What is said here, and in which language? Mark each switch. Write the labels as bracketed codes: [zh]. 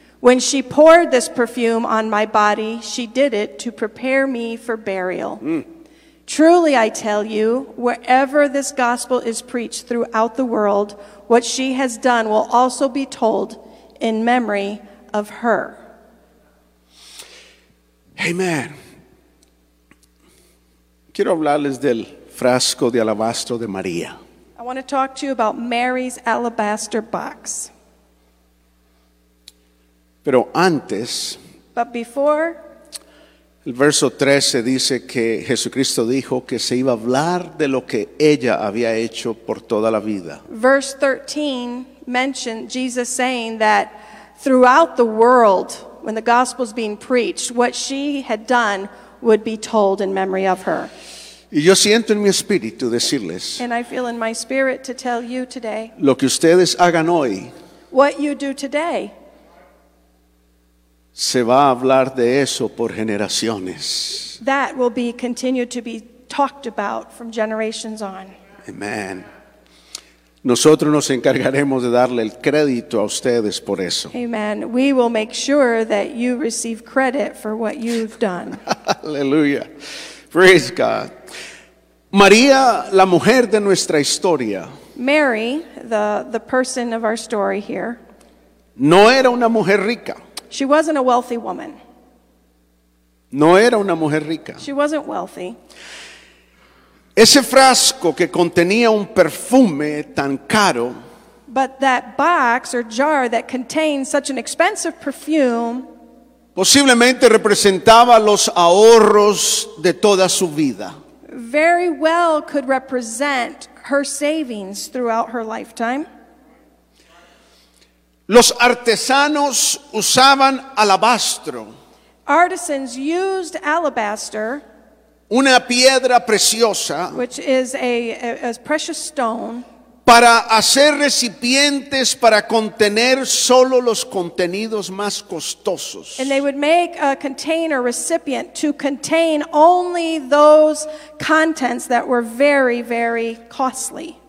[en] When she poured this perfume on my body, she did it to prepare me for burial. Truly, I tell you, wherever this gospel is preached throughout the world, what she has done will also be told in memory of her." Amen. [es] Quiero hablarles del frasco de alabastro de María. [en] I want to talk to you about Mary's alabaster box. [es] Pero antes, [en] but before, [es] el verso 13 dice que Jesucristo dijo que se iba a hablar de lo que ella había hecho por toda la vida. [en] Verse 13 mentioned Jesus saying that throughout the world, when the gospel's being preached, what she had done would be told in memory of her. [es] Y yo siento en mi espíritu decirles, [en] and I feel in my spirit to tell you today, [es] lo que ustedes hagan hoy, [en] what you do today, [es] se va a hablar de eso por generaciones. [en] That will be continued to be talked about from generations on. Amen. [es] Nosotros nos encargaremos de darle el crédito a ustedes por eso. [en] Amen. We will make sure that you receive credit for what you've done. [es] Aleluya. [en] Praise God. [es] María, la mujer de nuestra historia. [en] Mary, the person of our story here. [es] No era una mujer rica. [en] She wasn't a wealthy woman. [es] No era una mujer rica. [en] She wasn't wealthy. [es] Ese frasco que contenía un perfume tan caro. [en] But that box or jar that contained such an expensive perfume. [es] Posiblemente representaba los ahorros de toda su vida. [en] Very well could represent her savings throughout her lifetime. [es] Los artesanos usaban alabastro. [en] Artisans used alabaster. [es] Una piedra preciosa. [en] Which is a precious stone. [es] Para hacer recipientes para contener solo los contenidos más costosos. [en] And they would make a container recipient to contain only those contents that were very, very costly.